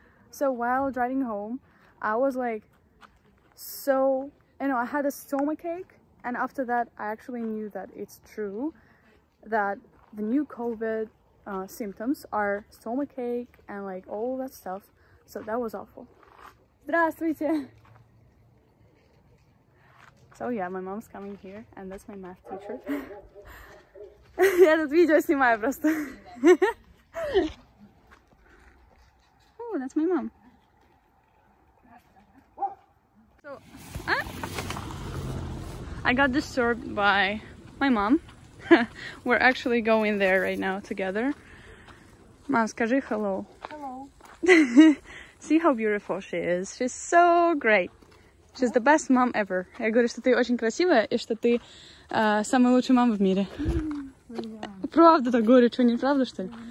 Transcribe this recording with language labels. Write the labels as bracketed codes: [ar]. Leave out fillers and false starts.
[en] So while driving home, I was like, so, you know, I had a stomachache, and after that I actually knew that it's true that the new COVID symptoms are stomachache and like all that stuff. So that was awful. [ru] Здравствуйте. [en] So yeah, my mom's coming here, and that's my math teacher. [ru] Я тут видео снимаю просто. [en] Oh, that's my mom. So, I got disturbed by my mom. We're actually going there right now together. Mom, [ru] скажи [en] hello. Hello. See how beautiful she is. She's so great. She's the best mom ever. [ru] Я говорю, что ты очень красивая и что ты самая лучшая мама в мире. [en] Yeah. [ru] Правда так говорю, что не правда, что ли?